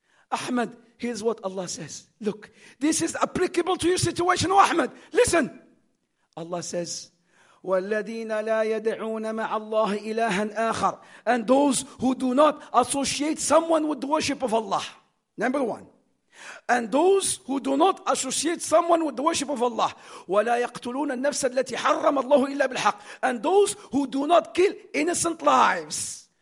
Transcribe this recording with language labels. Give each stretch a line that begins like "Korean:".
English: Ahmed, here's what Allah says. Look, this is applicable to your situation, Ahmed. Listen. Allah says,
Arabic: وَالَّذِينَ لَا يَدْعُونَ مَعَ اللَّهِ إِلَٰهًا آخَرَ.
English: And those who do not associate someone with the worship of Allah. Number one. And those who do not associate someone with the worship of Allah.
Arabic: وَلَا يَقْتُلُونَ النَّفْسَ الَّتِي حَرَّمَ اللَّهُ إِلَّا بِالْحَقِّ.
English: And those who do not kill innocent lives.